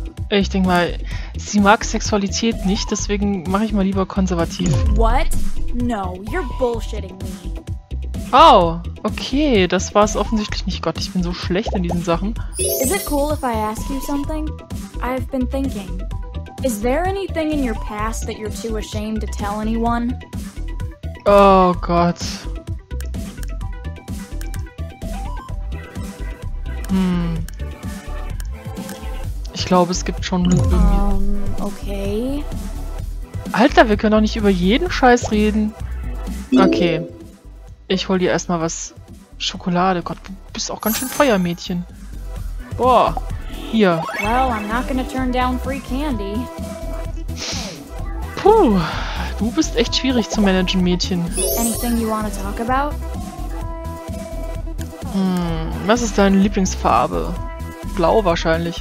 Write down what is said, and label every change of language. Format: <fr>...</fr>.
<de>Ich denke mal, sie mag Sexualität nicht, deswegen mache ich mal lieber konservativ.</de> <en>What? No, you're bullshitting me.</en> <de>Oh, okay, das war es offensichtlich nicht. Gott, ich bin so schlecht in diesen Sachen.</de> <en>Is it cool if I ask you something? I've been thinking. Is there anything in your past that you're too ashamed to tell anyone?</en> <de>Oh Gott. Ich glaube, es gibt schon irgendwie... Okay. Alter, wir können doch nicht über jeden Scheiß reden. Okay. Ich hol dir erstmal was Schokolade. Gott, du bist auch ganz schön teuer, Mädchen. Boah. Hier.</de> <en>Well, I'm not gonna turn down free candy.</en> <de>Puh. Du bist echt schwierig zu managen, Mädchen.</de> <en>Anything you wanna talk about?</en> <de>Was ist deine Lieblingsfarbe? Blau wahrscheinlich.</de>